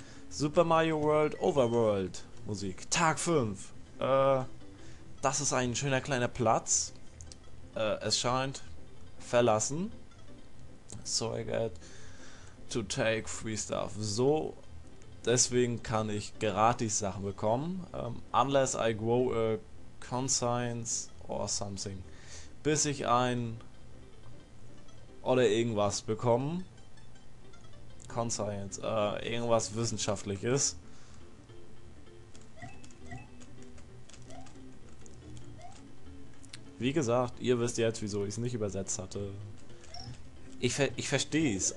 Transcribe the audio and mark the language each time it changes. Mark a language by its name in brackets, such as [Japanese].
[German] Super Mario World Overworld Musik. Tag 5. Das ist ein schöner kleiner Platz. Es scheint verlassen. [English] So I get to take free stuff. [German] So, deswegen kann ich gratis Sachen bekommen. [English] Unless I grow a conscience or something. [German] Bis ich ein oder irgendwas bekomme. Conscience, irgendwas Wissenschaftliches. Wie gesagt, ihr wisst jetzt, wieso ich es nicht übersetzt hatte. Ich verstehe es.